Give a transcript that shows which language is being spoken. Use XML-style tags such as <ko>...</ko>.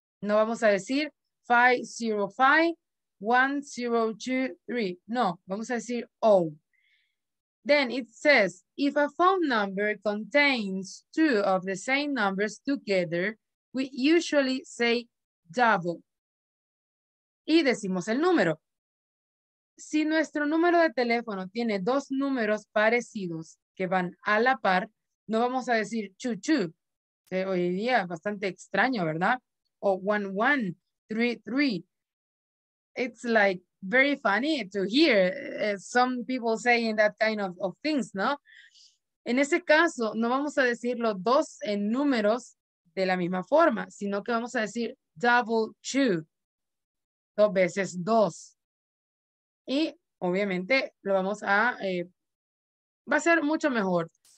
<es>No vamos a decir 505-1023. No, vamos a decir O.</es> <en>Then it says, if a phone number contains two of the same numbers together, we usually say double.</en> <es>Y decimos el número. Si nuestro número de teléfono tiene dos números parecidos que van a la par, no vamos a decir chu-chu, que hoy día es bastante extraño, ¿verdad? O 1-1-3-3.</es> <en>It's like very funny to hear some people saying that kind of things, ¿no?</en> <es>En ese caso, no vamos a decir los dos en números de la misma forma, sino que vamos a decir double-chu, dos veces dos. Y obviamente lo vamos a, va a ser mucho mejor.</es>